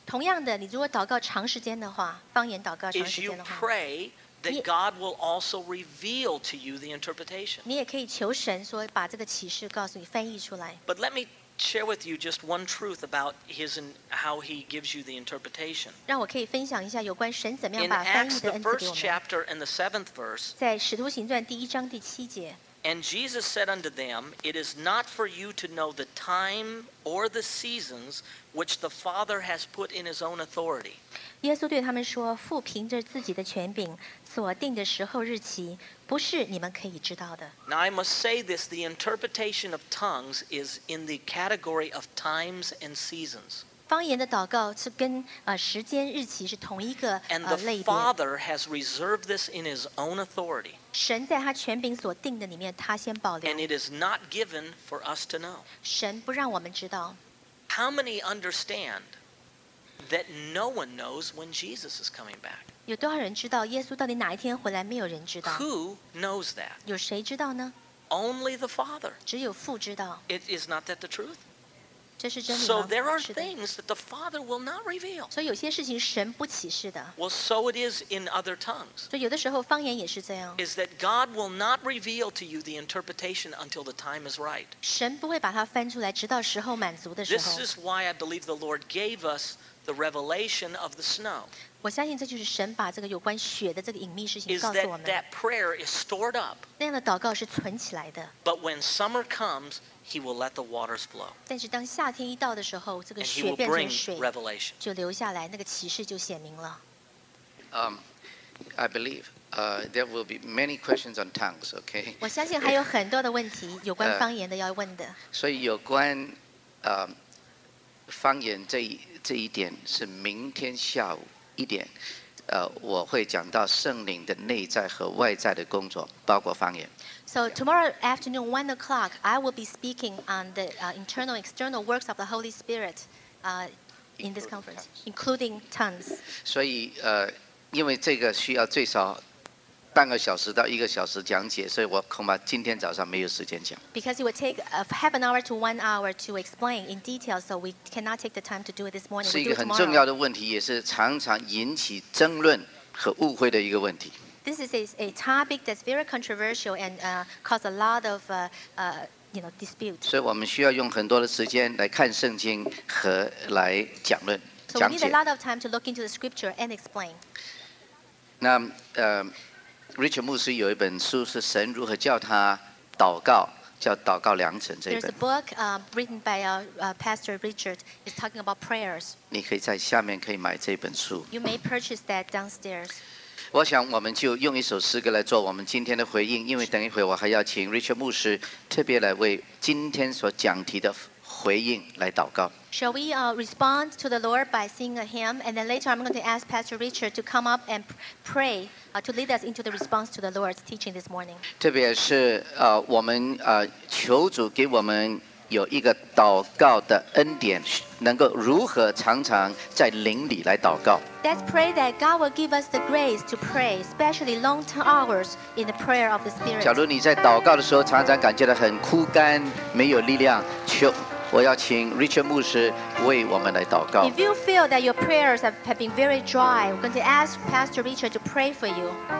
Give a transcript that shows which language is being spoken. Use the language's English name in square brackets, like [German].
[Chinese] 同样的，你如果祷告长时间的话，方言祷告长时间的话。 [English] If you pray,that God will also reveal to you the interpretation. [Chinese] 你也可以求神说把这个启示告诉你翻译出来。 [English] But let me share with you just one truth about his and how he gives you the interpretation. [Chinese] 让我可以分享一下有关神怎么样把翻译的恩赐给我们。 [English] In Acts, the first chapter and the seventh verse, [Chinese] 在使徒行传第一章第七节。 [English] And Jesus said unto them, It is not for you to know the time or the seasons which the Father has put in his own authority. [Chinese] 耶稣对他们说，父凭着自己的权柄所定的时候日期，不是你们可以知道的。 [English] Now I must say this, the interpretation of tongues is in the category of times and seasons. [Chinese] 方言的祷告是跟时间日期是同一个类别。 [English] And the Father has reserved this in his own authority. [Chinese] 神在他权柄所定的里面，他先保留。 [English] And it is not given for us to know. [Chinese] 神不让我们知道。 [English] How many understand that no one knows when Jesus is coming back? [Chinese] 有多少人知道耶稣到底哪一天回来？没有人知道。 [English] Who knows that? [Chinese] 有谁知道呢？ [English] Only the Father. [Chinese] 只有父知道。 [English] It is not that the truth? [Chinese] 这是真理吗？ [English] So there are things that the Father will not reveal. [Chinese] 所以有些事情神不启示的。 [English] Well, so it is in other tongues. [Chinese] 所以有的时候方言也是这样。 [English] Is that God will not reveal to you the interpretation until the time is right. [Chinese] 神不会把它翻出来，直到时候满足的时候。 [English] This is why I believe the Lord gave us the revelation of the snow. [Chinese] 我相信这就是神把这个有关雪的这个隐秘事情告诉我们。 [English] Is that that prayer is stored up. [Chinese] 那样的祷告是存起来的。 [English] But when summer comes,He will let the waters flow. [Chinese] 但是当夏天一到的时候，这个雪变成水，就留下来，那个启示就显明了。 [English] I believe there will be many questions on tongues. Okay. [Chinese] 我相信还有很多的问题有关方言的要问的。所以有关方言这一点是明天下午一点，我会讲到圣灵的内在和外在的工作，包括方言。 [English] So tomorrow afternoon, 1 o'clock, I will be speaking on the internal, external works of the Holy Spirit, in this conference, including tongues. [Chinese] 所以因为这个需要最少半个小时到一个小时讲解，所以我恐怕今天早上没有时间讲。 [English] Because it would take half an hour to 1 hour to explain in detail, so we cannot take the time to do it this morning. [Chinese] 是一个很重要的问题，也是常常引起争论和误会的一个问题。 [English] This is a topic that's very controversial and caused a lot of dispute. [Chinese] 所以我们需要用很多的时间来看圣经和来讲论讲解。 [English] So we need a lot of time to look into the scripture and explain. [Chinese] 那Richard 牧师有一本书是神如何叫他祷告，叫祷告良辰这一本。 [English] There's a book written by Pastor Richard. It's talking about prayers. [Chinese] 你可以在下面可以买这本书。 [English] You may purchase that downstairs. [Chinese] 我想我们就用一首诗歌来做我们今天的回应，因为等一会我还要请 Richard 牧师特别来为今天所讲题的回应来祷告。 [English] Shall we respond to the Lord by singing a hymn, and then later I'm going to ask Pastor Richard to come up and pray to lead us into the response to the Lord's teaching this morning. [Chinese] 特别是我们求主给我们有一个祷告的恩典，能够如何常常在灵里来祷告。 [English] Let's pray that God will give us the grace to pray, especially long hours in the prayer of the Spirit. [Chinese] 假如你在祷告的时候常常感觉到很枯干，没有力量，求我要请 Richard 牧师为我们来祷告。 [English] If you feel that your prayers have been very dry, we're going to ask Pastor Richard to pray for you.